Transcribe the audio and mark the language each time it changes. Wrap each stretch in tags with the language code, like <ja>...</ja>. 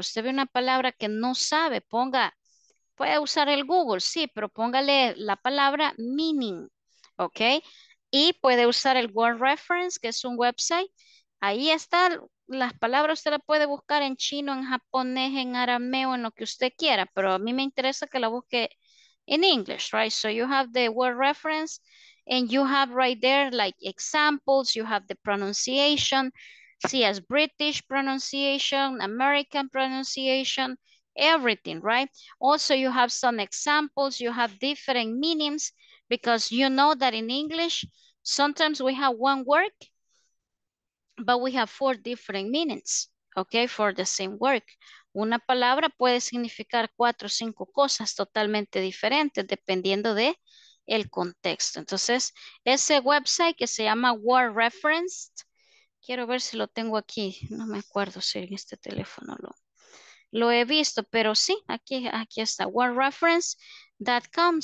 <es>Usted ve una palabra que no sabe, ponga, puede usar el Google, sí, pero póngale la palabra meaning, ¿ok? Y puede usar el Word Reference, que es un website. Ahí están las palabras, usted la puede buscar en chino, en japonés, en arameo, en lo que usted quiera, pero a mí me interesa que la busque en English, right?</es> <en>So you have the Word Reference, and you have right there, like, examples, you have the pronunciation, see as British pronunciation, American pronunciation, everything, right? Also, you have some examples, you have different meanings, because you know that in English, sometimes we have one word, but we have four different meanings, okay, for the same word.</en> <es>Una palabra puede significar cuatro o cinco cosas totalmente diferentes, dependiendo de el contexto. Entonces, ese website que se llama Word Referenced, quiero ver si lo tengo aquí, no me acuerdo si en este teléfono lo he visto, pero sí, aquí está, wordreference.com.</es>